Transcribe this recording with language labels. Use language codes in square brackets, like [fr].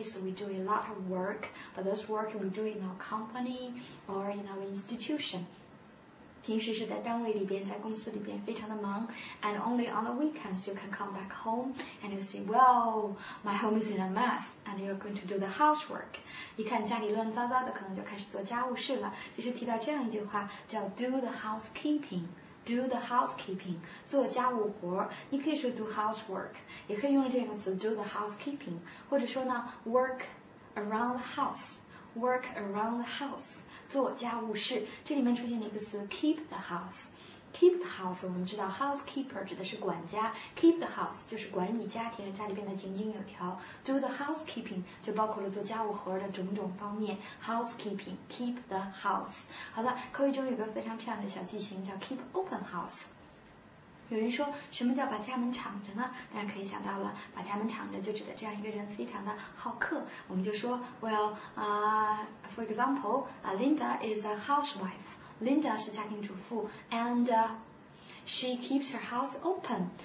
[en] So we do a lot of work, but those work we do in our company or in our institution. [zh] 平时是在单位里边，在公司里边非常的忙 [en] ，and only on the weekends you can come back home and you say, well, my home is in a mess, and you're going to do the housework. [zh] 一看家里乱糟糟的，可能就开始做家务事了。就是提到这样一句话，叫 do the housekeeping. [en] Do the housekeeping, [zh] 做家务活你可以说 do housework, 也可以用这个词 do the housekeeping, 或者说呢 [en] work around the house, [zh] 做家务事。这里面出现了一个词 [en] keep the house, [zh] 我们知道 housekeeper 指的是管家 ,keep the house 就是管理家庭，家里变得井井有条。 Do the housekeeping 就包括了做家务活的种种方面 ,housekeeping, keep the house。好了，口语中有个非常漂亮的小句型叫 [en] keep open house。 [zh] 有人说什么叫把家门敞着呢？当然可以想到了，把家门敞着就指的这样一个人非常的好客。 [en] 我们就说 ,Linda is a housewife. Linda [zh] 是家庭主妇 [en] ，and she keeps her house open.